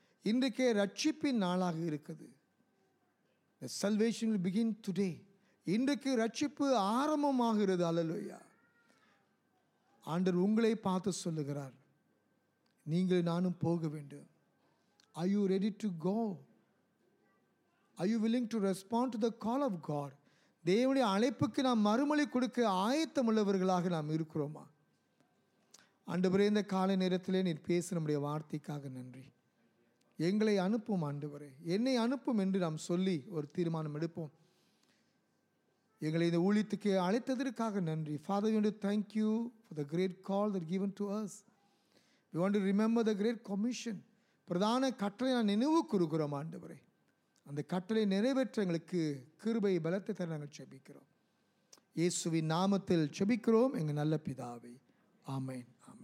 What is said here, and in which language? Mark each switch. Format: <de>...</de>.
<ta>இன்றைக்கே ரட்சிப்பின் நாளாக இருக்குது.</ta> <en>The solvation will begin today.</en> <ta>இன்றைக்கு ரட்சிப்பு ஆரம்பமாகிறது. அல்லேலூயா. ஆண்டவர் உங்களை பார்த்து சொல்லுகிறார், நீங்கள் நானும் போக வேண்டும்.</ta> <en>I you ready to go? Are you willing to respond to the call of God?</en> <ta>தேவனுடைய அழைப்புக்கு நாம் மறுமொழி கொடுக்க ஆயத்தமுள்ளவர்களாக நாம் இருக்கிறோமா? ஆண்டவரே, இந்த காலை நேரத்திலே நீர் பேசு நம்முடைய வார்த்தைக்காக நன்றி. எங்களை அனுப்பும் ஆண்டவரே, என்னை அனுப்பும் என்று நாம் சொல்லி ஒரு தீர்மானம் எடுப்போம். எங்களை இந்த ஊழியத்துக்கு அழைத்ததற்காக நன்றி.</ta> <en>Father, we want to thank you for the great call that given to us. We want to remember the great commission.</en> <ta>பிரதான கட்டளை நாம் நினைவு கூறுகிறோம் ஆண்டவரே. அந்த கட்டளை நிறைவேற்ற எங்களுக்கு கிருபை பலத்தை தர நாங்கள் செபிக்கிறோம். இயேசுவின் நாமத்தில் செபிக்கிறோம் எங்கள் நல்ல பிதாவே. ஆமென்.</ta>